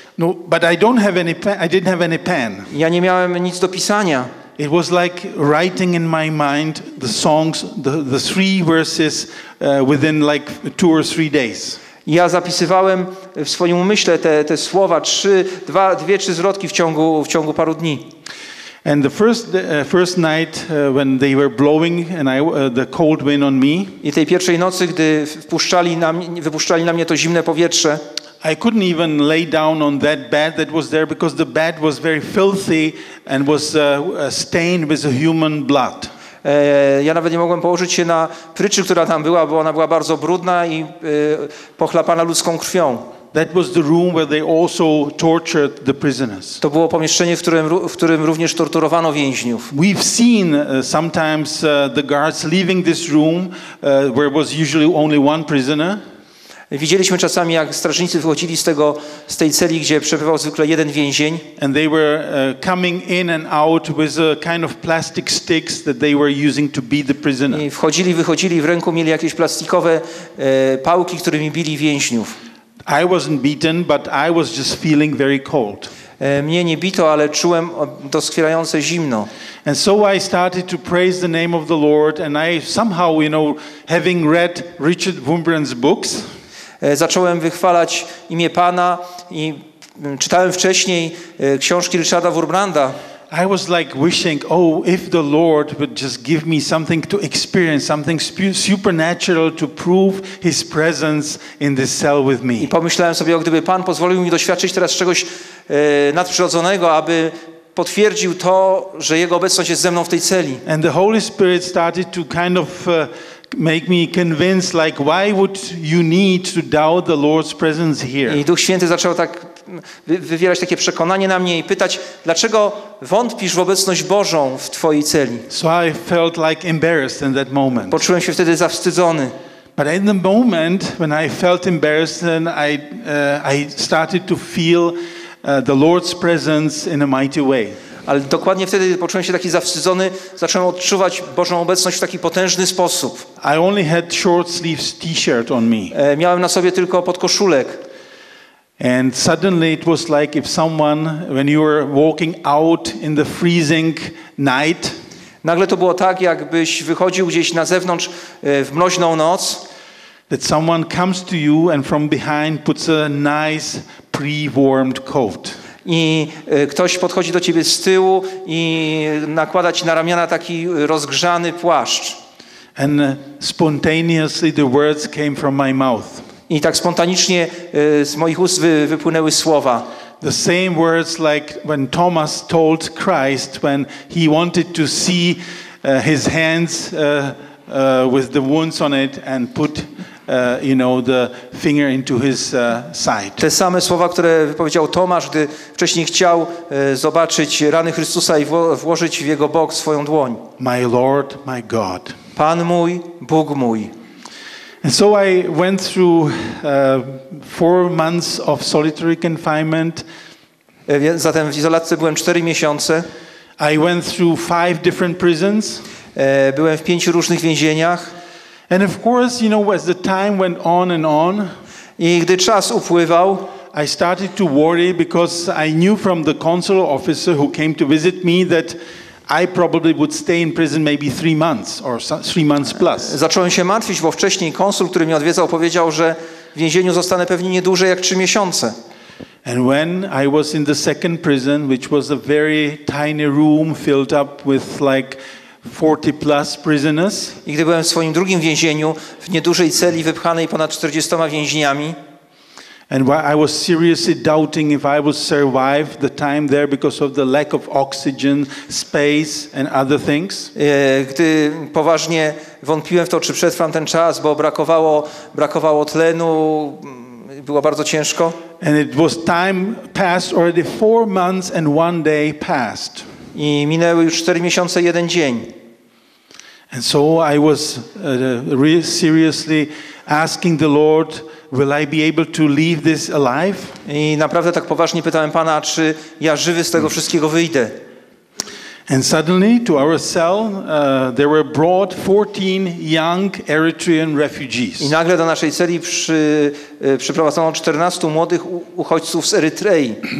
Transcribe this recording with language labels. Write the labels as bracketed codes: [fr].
[en] No, but I don't have any pen. I didn't have any pen. [pl] Ja nie miałem nic do pisania. [en] It was like writing in my mind the songs, the three verses within like two or three days. [pl] Ja zapisywałem w swoim umyśle te słowa, dwie, trzy zwrotki w ciągu paru dni. [en] And the first night when they were blowing and I the cold wind on me. [pl] I tej pierwszej nocy, gdy wypuszczali na mnie to zimne powietrze. [en] I couldn't even lay down on that bed that was there because the bed was very filthy and was stained with human blood. [pl] Ja nawet nie mogłem położyć się na pryczy, która tam była, bo ona była bardzo brudna i pochlapana ludzką krwią. [en] That was the room where they also tortured the prisoners. [pl] To było pomieszczenie, w którym również torturowano więźniów. [en] We've seen sometimes the guards leaving this room where was usually only one prisoner. [pl] Widzieliśmy czasami, jak strażnicy wychodzili z tej celi, gdzie przebywał zwykle jeden więzień. [en] And they were coming in and out with a kind of plastic sticks that they were using to beat the prisoner. [pl] I wchodzili, wychodzili, w ręku mieli jakieś plastikowe pałki, którymi bili więźniów. [en] I wasn't beaten, but I was just feeling very cold. [pl] Mnie nie bito, ale czułem doskwierające zimno. [en] And so I started to praise the name of the Lord, and I somehow, you know, having read Richard Wurmbrand's books. [pl] Zacząłem wychwalać imię Pana i czytałem wcześniej książki Richarda Wurmbranda. [en] I was like wishing, oh, if the Lord would just give me something to experience, something supernatural to prove his presence in this cell with me. [pl] I pomyślałem sobie, o gdyby Pan pozwolił mi doświadczyć teraz czegoś nadprzyrodzonego, aby potwierdził to, że jego obecność jest ze mną w tej celi. [en] And the Holy Spirit started to kind of make me convinced, like, why would you need to doubt the Lord's presence here? [pl] I Duch Święty zaczął tak wywierać takie przekonanie na mnie i pytać, dlaczego wątpisz w obecność Bożą w twojej celi? [en] So I felt like embarrassed in that moment. [pl] Poczułem się wtedy zawstydzony. [en] But in the moment when I felt embarrassed, then I started to feel the Lord's presence in a mighty way. [pl] Ale dokładnie wtedy poczułem się taki zawstydzony, zacząłem odczuwać Bożą obecność w taki potężny sposób. [en] I only had short sleeves t-shirt on me. [pl] Miałem na sobie tylko podkoszulek. [en] And suddenly it was like if someone, when you were walking out in the freezing night. [pl] Nagle to było tak, jakbyś wychodził gdzieś na zewnątrz w mroźną noc. [en] That someone comes to you and from behind puts a nice pre-warmed coat. [pl] I ktoś podchodzi do ciebie z tyłu i nakłada ci na ramiona taki rozgrzany płaszcz. [en] And spontaneously the words came from my mouth. [pl] I tak spontanicznie z moich ust wypłynęły słowa. [en] The same words like when Thomas told Christ when he wanted to see his hands with the wounds on it and put the finger into his side. [pl] Te same słowa, które wypowiedział Tomasz, gdy wcześniej chciał zobaczyć rany Chrystusa i włożyć w jego bok swoją dłoń. [en] My Lord, my God. [pl] Pan mój, Bóg mój. [en] And so I went through 4 months of solitary confinement. [pl] Zatem w izolacji byłem 4 miesiące. [en] I went through 5 different prisons. [pl] Byłem w 5 różnych więzieniach. [en] And of course, you know, as the time went on and on, [pl] i gdy czas upływał, [en] I started to worry because I knew from the consular officer who came to visit me that I probably would stay in prison maybe 3 months or 3 months plus. [pl] Zacząłem się martwić, bo wcześniej konsul, który mnie odwiedzał, powiedział, że w więzieniu zostanę pewnie nie dłużej jak 3 miesiące. [en] And when I was in the second prison, which was a very tiny room filled up with like 40 plus prisoners. [pl] I gdy byłem w swoim drugim więzieniu, w niedużej celi wypchanej ponad 40 więźniami. [en] And I was seriously doubting if I would survive the time there because of the lack of oxygen, space and other things. [pl] Gdy poważnie wątpiłem w to, czy przetrwam ten czas, bo brakowało tlenu, było bardzo ciężko. [en] And it was time passed already 4 months and one day passed. [pl] I minęły już 4 miesiące i jeden dzień. [en] And so I was really seriously asking the Lord, will I be able to leave this alive? [pl] I naprawdę tak poważnie pytałem Pana, czy ja żywy z tego wszystkiego wyjdę. [en] And suddenly to our cell there were brought 14 young Eritrean refugees. [pl] I nagle do naszej celi przyprowadzono 14 młodych uchodźców z Erytrei.